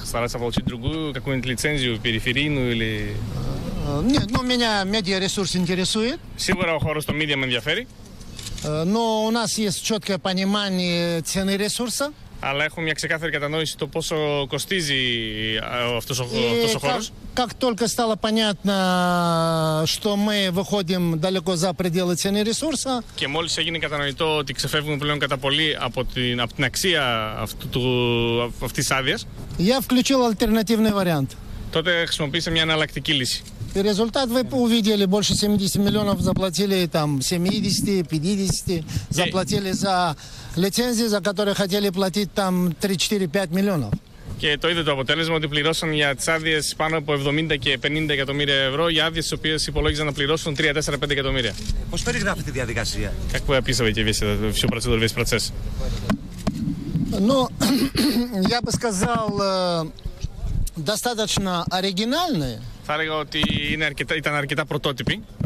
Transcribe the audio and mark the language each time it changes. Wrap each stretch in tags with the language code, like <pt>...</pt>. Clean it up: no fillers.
<ru>стараться получить другую, какую-нибудь лицензию периферийную или... Нет, ну меня медиаресурс интересует. Сигурно, хорош, что медиа меня интересует. Но у нас есть четкое понимание цены ресурса.</ru> <el>Αλλά έχω μια ξεκάθαρη κατανόηση το πόσο κοστίζει αυτός ο χώρος.</el> <ru>Как только стало понятно, что мы выходим далеко за пределы цены ресурса.</ru> <el>Και μόλις έγινε κατανοητό ότι ξεφεύγουμε πλέον κατά πολύ από την αξία αυτής της άδειας.</el> <ru>Я включил альтернативный вариант.</ru> <el>Τότε χρησιμοποίησα μια εναλλακτική λύση.</el> <ru>И результат вы увидели, больше 70 миллионов заплатили, там 70-50 заплатили за лицензии, за которые хотели платить там 3-4-5 миллионов.</ru> <el>Και το είδε το αποτέλεσμα ότι πληρώσαν για τις άδειες πάνω από 70 και 50 εκατομμύρια ευρώ για άδειες τις οποίες υπολόγιζαν να πληρώσουν 3-4-5 εκατομμύρια. Πώς περιγράφει τη διαδικασία?</el> <ru>Как вы описываете весь процедуру, весь процесс? Ну, я бы сказал, достаточно оригинальные.</ru> <el>Θα έλεγα ότι είναι αρκετά, ήταν αρκετά πρωτότυποι.</el>